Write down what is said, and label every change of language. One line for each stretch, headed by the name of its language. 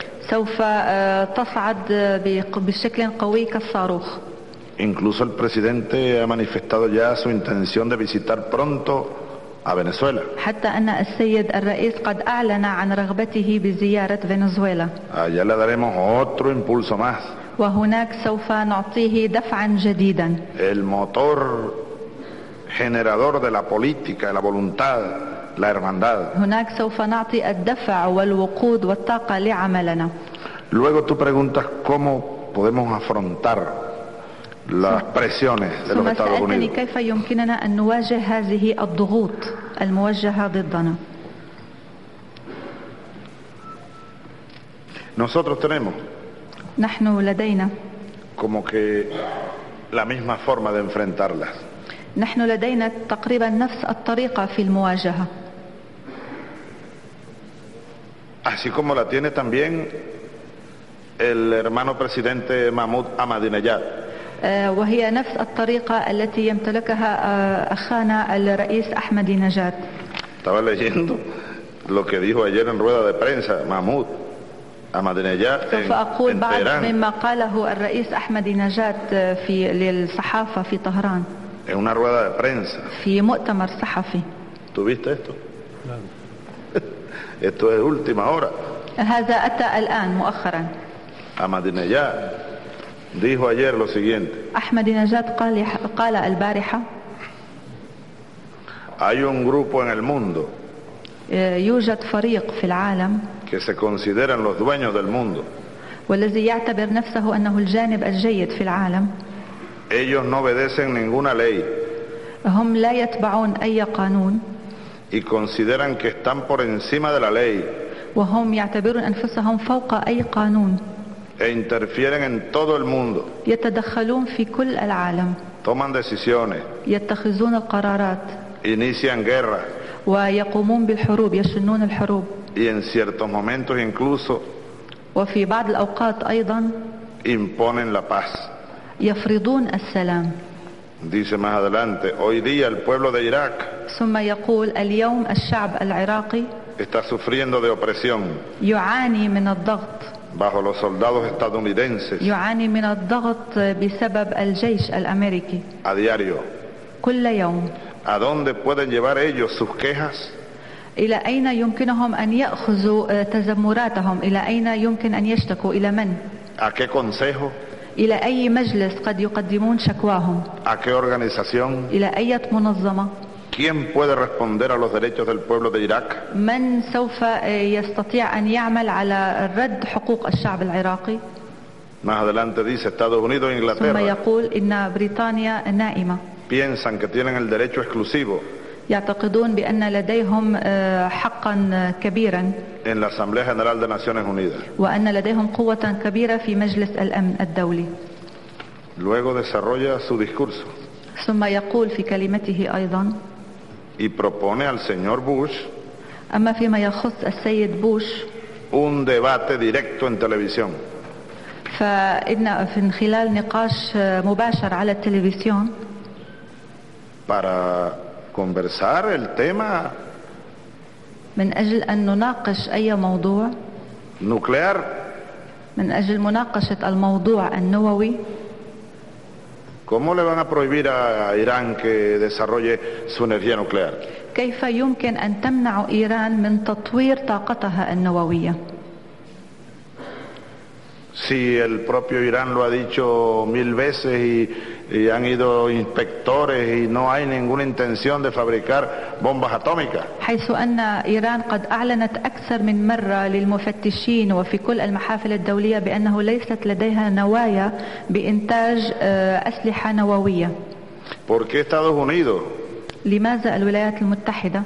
Arabic: سوف تصعد بشكل قوي كالصاروخ.
Spanish: Incluso el presidente ha manifestado ya su intención de visitar pronto a Venezuela.
Arabic: حتى أن السيد الرئيس قد أعلن عن رغبته بزيارة فنزويلا.
Spanish: Allá le daremos otro impulso más.
Arabic: وهناك سوف نعطيه دفعا جديدا.
Spanish: El motor generador de la política, la voluntad, la hermandad.
Arabic: هناك سوف نعطي الدفع والوقود والطاقة لعملنا.
Spanish: Luego tú preguntas cómo podemos afrontar las presiones de los Estados Unidos.
Arabic: ثم سألتني كيف يمكننا أن نواجه هذه الضغوط الموجهة ضدنا.
Spanish: Nosotros tenemos.
Arabic: نحن لدينا
Spanish: como que la misma forma de enfrentarlas.
Arabic: نحن لدينا تقريبا نفس الطريقة في المواجهة.
Spanish: Así como la tiene también el hermano presidente Mahmoud Ahmadinejad.
Arabic: وهي نفس الطريقة التي يمتلكها أخانا الرئيس أحمد نجاد.
Spanish: Estaba leyendo lo que dijo ayer en rueda de prensa Mahmoud Ahmadinejad.
Arabic: فأقول بعض مما قاله الرئيس أحمد نجاد في للصحافة في طهران.
Spanish: En una rueda de prensa.
Arabic: في مؤتمر صحفي.
Spanish: ¿Tuviste esto? Esto es última hora.
Arabic: هذا أتى الآن مؤخرا.
Spanish: Ahmadinejad dijo ayer lo siguiente.
Arabic: Ahmadinejad قال البارحة.
Spanish: Hay un grupo en el mundo.
Arabic: يوجد فريق في العالم.
Spanish: Que se consideran los dueños del mundo.
Arabic: والذي يعتبر نفسه أنه الجانب الجيد في العالم.
Spanish: Ellos no obedecen ninguna ley.
Arabic: هم لا يتبعون أي قانون.
Spanish: Y consideran que están por encima de la ley.
Arabic: وهم يعتبرون أنفسهم فوق أي قانون.
Spanish: E interfieren en todo el mundo.
Arabic: يتدخلون في كل العالم.
Spanish: Toman decisiones.
Arabic: يتخذون القرارات.
Spanish: Inician guerra.
Arabic: ويقومون بالحروب. يشنون الحروب.
Spanish: Y en ciertos momentos incluso.
Arabic: وفي بعض الأوقات أيضا.
Spanish: Imponen la paz.
Arabic: يفرضون السلام.
Spanish: Dice más adelante, hoy día el pueblo de Irak.
Arabic: ثم يقول اليوم الشعب العراقي.
Spanish: Está sufriendo de opresión.
Arabic: يعاني من الضغط.
Spanish: Bajo los soldados estadounidenses.
Arabic: يعاني من الضغط بسبب الجيش الأمريكي.
Spanish: A diario.
Arabic: كل يوم.
Spanish: ¿A dónde pueden llevar ellos sus quejas?
Arabic: إلى أين يمكنهم أن يأخذوا تذمراتهم؟ إلى أين يمكن أن يشتكوا؟ إلى من؟
Spanish: ¿A qué consejo?
Arabic: إلى أي مجلس قد يقدمون شكواهم؟
Spanish: ¿A qué organización?
Arabic: إلى أي منظمة؟
Spanish: ¿Quién puede responder a los derechos del pueblo de Irak?
Arabic: من سوف يستطيع أن يعمل على رد حقوق الشعب العراقي؟
Spanish: Más adelante dice Estados Unidos e Inglaterra.
Arabic: ثم يقول إن بريطانيا نائمة.
Spanish: Piensan que tienen el derecho exclusivo.
Arabic: يعتقدون بأن لديهم حقا كبيرا.
Spanish: En la Asamblea General de Naciones Unidas.
Arabic: وأن لديهم قوة كبيرة في مجلس الأمن الدولي.
Spanish: Luego desarrolla su discurso.
Arabic: ثم يقول في كلمته أيضا.
Spanish: Y propone al señor Bush.
Arabic: أما فيما يخص السيد بوش.
Spanish: Un debate directo en televisión.
Arabic: فإن في خلال نقاش مباشر على التلفزيون.
Spanish: Para conversar el tema.
Arabic: من أجل أن نناقش أي موضوع.
Spanish: Nuclear.
Arabic: من أجل مناقشة الموضوع النووي.
Spanish: ¿Cómo le van a prohibir a Irán que desarrolle su energía nuclear?
Arabic: كيف يمكن أن تمنع إيران من تطوير طاقتها النووية؟
Spanish: Si el propio Irán lo ha dicho mil veces y han ido inspectores y no hay ninguna intención de fabricar bombas atómicas.
Arabic: حيث أن إيران قد أعلنت أكثر من مرة للمفتشين وفي كل المحافل الدولية بأنه ليست لديها نوايا بإنتاج أسلحة نووية.
Spanish: ¿Por qué Estados Unidos?
Arabic: لماذا الولايات المتحدة؟